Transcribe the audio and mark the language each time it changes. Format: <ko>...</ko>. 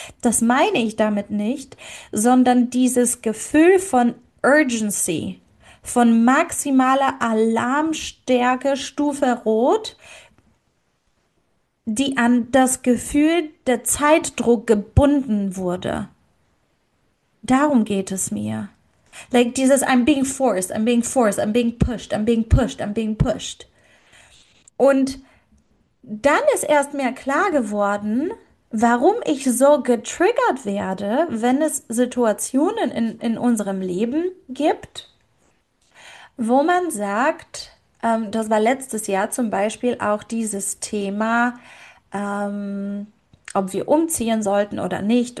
<de>Das meine ich damit nicht, sondern dieses Gefühl von Urgency, von maximaler Alarmstärke, Stufe Rot, die an das Gefühl der Zeitdruck gebunden wurde. Darum geht es mir.</de> <en>Like dieses I'm being forced, I'm being forced, I'm being pushed, I'm being pushed, I'm being pushed.</en> <de>Und dann ist erst mir klar geworden, warum ich so getriggert werde, wenn es Situationen in unserem Leben gibt, wo man sagt, das war letztes Jahr zum Beispiel auch dieses Thema, ob wir umziehen sollten oder nicht.</de>